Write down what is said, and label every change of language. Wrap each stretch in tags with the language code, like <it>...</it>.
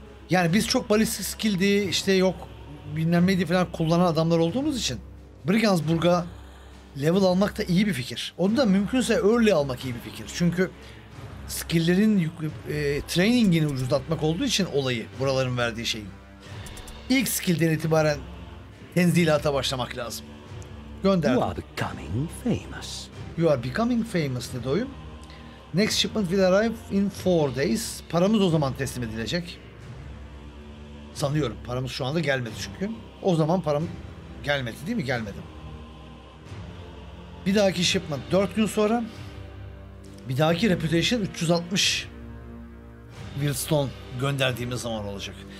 <tr>Yani biz çok balistik skill'di, işte yok bilmem neydi falan kullanan adamlar olduğumuz için Brigandsburg'a level almak da iyi bir fikir. Onu da mümkünse early almak iyi bir fikir. Çünkü skill'lerin training'ini ucuzlatmak olduğu için olayı, buraların verdiği şeyin. İlk skill'den itibaren tenzilata başlamak lazım. Gönderdim.</tr> <en>You are becoming famous. You are becoming famous</en> <tr>dedi oyun.</tr> <en>Next shipment will arrive in 4 days.</en> <tr>Paramız o zaman teslim edilecek. Sanıyorum. Paramız şu anda gelmedi çünkü. O zaman param gelmedi değil mi? Gelmedim. Bir dahaki shipment 4 gün sonra. Bir dahaki reputation 360 Willstone gönderdiğimiz zaman olacak.</tr>